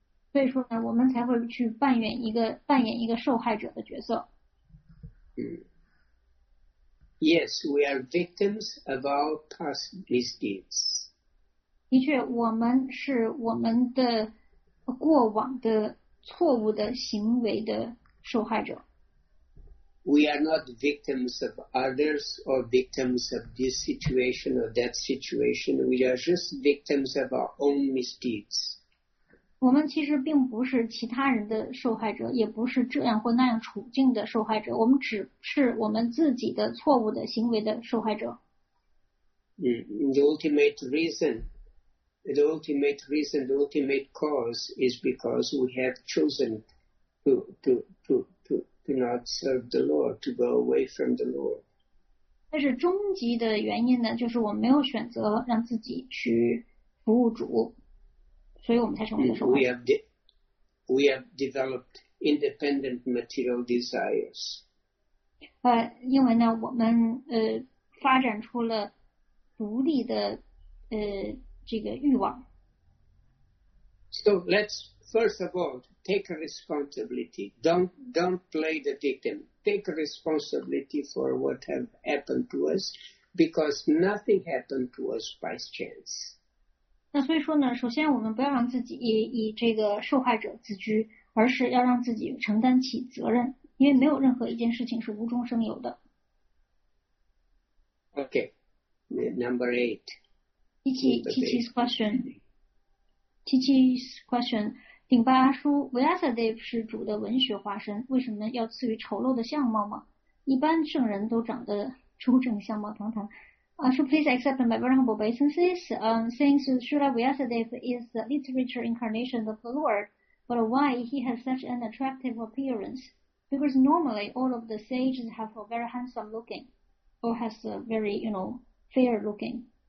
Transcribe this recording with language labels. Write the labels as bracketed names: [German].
[Chinese] 所以说呢，我们才会去扮演一个受害者的角色。 [English] Yes, we are victims of our past misdeeds. [Chinese] 的确，我们是我们的过往的错误的行为的受害者。 [English] We are not victims of others or victims of this situation or that situation. We are just victims of our own misdeeds. [Chinese] 我们其实并不是其他人的受害者，也不是这样或那样处境的受害者。我们只是我们自己的错误的行为的受害者。 [English] The ultimate cause is because we have chosen to not serve the Lord, to go away from the Lord. [Chinese] 但是终极的原因呢，就是我们没有选择让自己去服务主，所以我们才成为了受害者。 [English] We have developed independent material desires. [Chinese] 因为呢，我们发展出了独立的这个欲望。 [English] So let's first of all take responsibility. Don't play the victim. Take responsibility for what have happened to us, because nothing happened to us by chance. [Chinese] 那所以说呢，首先我们不要让自己以这个受害者自居，而是要让自己承担起责任，因为没有任何一件事情是无中生有的。 [English] Okay, number eight. Chichi's question. [Chinese] 顶巴拉书 Vyasadeva 是主的文学化身，为什么要赐予丑陋的相貌吗？一般圣人都长得出众，相貌堂堂。 [English] So please accept my vulnerable obeisances. Since Srila Vyasadeva is the literature incarnation of the Lord, but why he has such an attractive appearance? Because normally all of the sages have a very handsome looking, or has a very, you know, fair looking.